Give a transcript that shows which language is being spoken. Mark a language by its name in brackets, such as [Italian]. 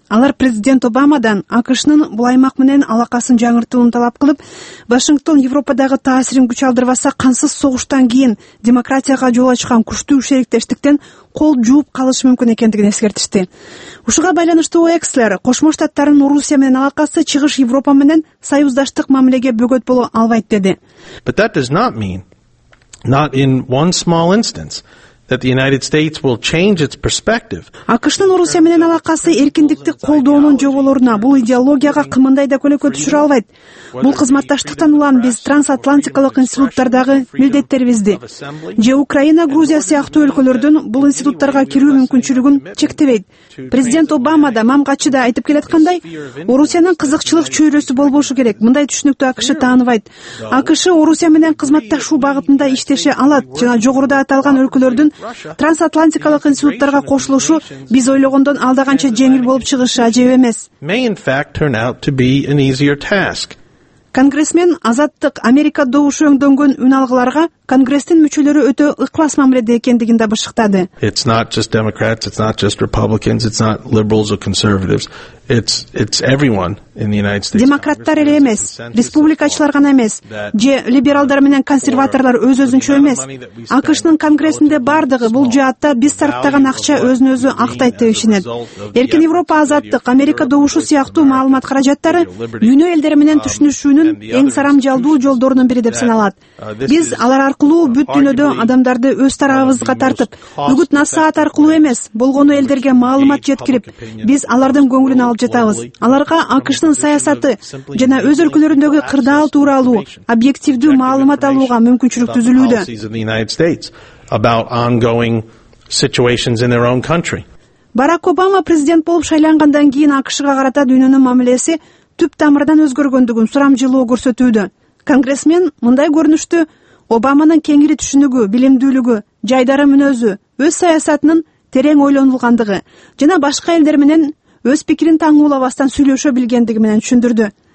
[Kyrgyz] Алар президент Обамадан АКШнын бул аймак менен алакасын жаңыртууну талап кылып, Вашингтон Европадагы таасирин күч алдырбаса кансыз согуштан кийин демократияга жол ачкан курчтуу шериктештиктен кол жууп калышы мүмкүн экендигин эскертишти. Ушуга байланыштуу Экслер Кошмо Штаттардын Орусия менен алакасы Чыгыш Европа менен союздаштык мамилеге бөгөт боло албайт деди. [English] But that does not mean not in one small instance that the United States will change its perspective. [Kyrgyz] АКШнын Орусия менен алакасы эркиндикти колдоонун жоболоруна, бул идеологияга кымындай да көлөкө түшүрө албайт. Бул кызматташтыктан улам биз трансатлантикалык институттардагы милдеттерибизди же Украина, Грузия сыяктуу өлкөлөрдүн бул институттарга кирүү мүмкүнчүлүгүн чектебейт. Президент Обама да мамкачы да айтып келаткандай, Орусиянын кызыкчылык чөйрөсү болбошу керек. Мындай түшүнүктү АКШ тааныбайт. АКШ Орусия менен кызматташуу багытында иштеше алат жана жогоруда аталган өлкөлөрдүн трансатлантикалык институттарга кошулушу биз ойлогондон алда канча жеңил болуп чыгышы ажеп эмес. [English] May in fact turn out to be an easier task. [Kyrgyz] Конгрессмен Азаттык Америка добушу өңдөнгөн үн алгыларга конгресстин мүчөлөрү өтө ыклас мамиледе экендигин да бышыктады. [English] It's not just Democrats, it's not just Republicans, it's not liberals or conservatives. It's everyone in the United States. [Kyrgyz] Демократтар эле эмес, республикачылар гана эмес, же либералдар менен консерваторлор өз-өзүнчө эмес. АКШнын конгрессинде бардыгы бул жаатта биз сарптаган акча өзүн өзү актайт деп ишенет. Эркин Европа, Азаттык Америка добушу сыяктуу маалымат каражаттары дүйнө элдери менен түшүнүшүүнүн эң сарамжалдуу жолдорунун бири деп саналат. Биз алар аркылуу бүт дүйнөдө адамдарды өз тарабыбызга тартып, үгүт насаат аркылуу эмес, болгону элдерге маалымат жеткирип, биз алардын көңүлүн алып жатабыз. Аларга АКШнын саясаты жана өз өлкөлөрүндөгү кырдаал тууралуу объективдүү маалымат алууга мүмкүнчүлүк түзүлүүдө. [English] About ongoing situations in their own country. [Kyrgyz] Барак Обама президент болуп шайлангандан кийин АКШга карата дүйнөнүн мамилеси түп тамырдан өзгөргөндүгүн сурамжылоо көрсөтүүдө. Конгрессмен мындай көрүнүштү Обаманын кеңири түшүнүгү, билимдүүлүгү, жайдары мүнөзү, өз саясатынын терең ойлонулгандыгы жана башка элдер менен өз пикирин таңуулабастан сүйлөшө билгендиги менен түшүндүрдү.